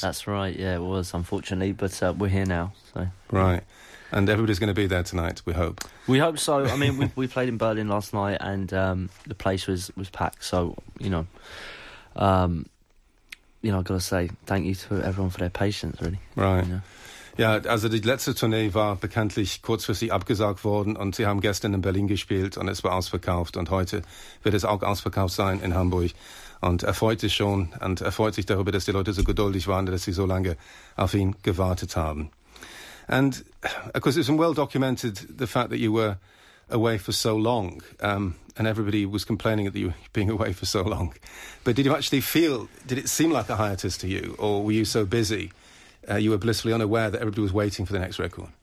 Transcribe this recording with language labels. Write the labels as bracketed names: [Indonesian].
[English] That's right, yeah, it was, unfortunately. But we're here now, so. Right. And everybody's going to be there tonight, we hope. We hope so. I mean, we played in Berlin last night and the place was packed. So, I've got to say thank you to everyone for their patience, really. Right. Yeah. [German] Ja, also die letzte Tournee war bekanntlich kurzfristig abgesagt worden und sie haben gestern in Berlin gespielt und es war ausverkauft und heute wird es auch ausverkauft sein in Hamburg und er freut sich darüber, dass die Leute so geduldig waren, dass sie so lange auf ihn gewartet haben. [English] And of course it's well documented the fact that you were away for so long and everybody was complaining that you were being away for so long. But did it seem like a hiatus to you or were you so busy? You were blissfully unaware that everybody was waiting for the next record.